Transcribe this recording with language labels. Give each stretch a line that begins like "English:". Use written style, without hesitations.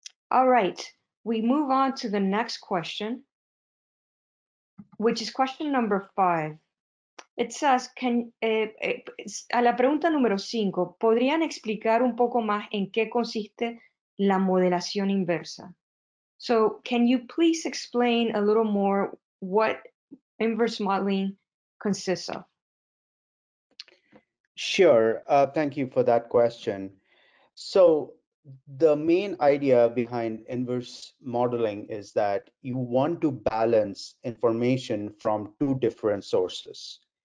English: All right, we move on to the next question, which is question number 5. It says,
Spanish: a la pregunta número 5, ¿podrían explicar un poco más en qué consiste la modelación inversa?
English: So, can you please explain a little more what inverse modeling consists of? Sure. Thank you for that question. So, the main idea behind inverse modeling is that you want to balance information from two different sources.